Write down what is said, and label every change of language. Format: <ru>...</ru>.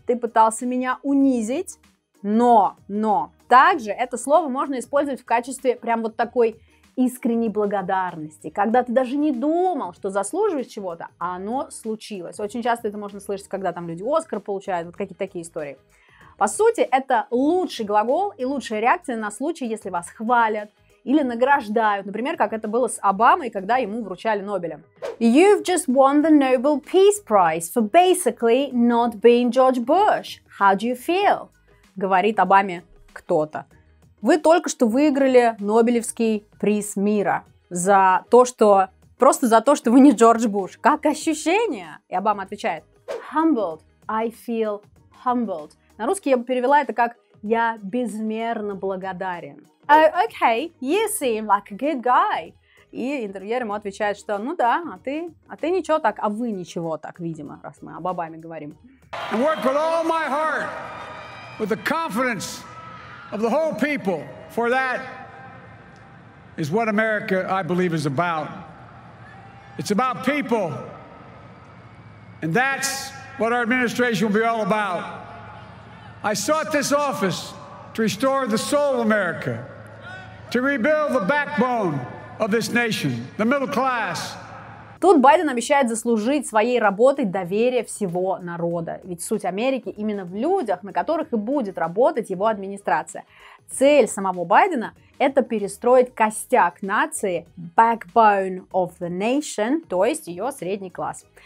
<ru>Ты пытался меня унизить? Но, также это слово можно использовать в качестве прям вот такой искренней благодарности, когда ты даже не думал, что заслуживаешь чего-то, а оно случилось. Очень часто это можно слышать, когда там люди Оскар получают, вот какие-то такие истории. По сути, это лучший глагол и лучшая реакция на случай, если вас хвалят или награждают. Например, как это было с Обамой, когда ему вручали Нобеля.</ru> <en>You've just won the Nobel Peace Prize for basically not being George Bush. How do you feel?</en> <ru>Говорит Обаме кто-то. Вы только что выиграли Нобелевский приз мира за то, что... Просто за то, что вы не Джордж Буш. Как ощущение? И Обама отвечает.</ru> <en>Humbled. I feel humbled.</en> <ru>На русский я бы перевела это как Я безмерно благодарен.</ru> <en>Okay, you seem like a good guy.</en> <ru>И интервьюер ему отвечает, что ну да, а ты ничего так, а вы ничего так, видимо, раз мы о бабами говорим.</ru> <en>And work with all my heart, with the confidence of the whole people, for that is what America, I believe, is about. It's about people, and that's what our administration will be all about. I sought this office to restore the soul of America, to rebuild the backbone of this nation, the middle class.</en> <ru>Тут Байден обещает заслужить своей работой доверие всего народа. Ведь суть Америки именно в людях, на которых и будет работать его администрация. Цель самого Байдена – это перестроить костяк нации,</ru> <en>backbone of the nation,</en> <ru>то есть ее средний класс.</ru>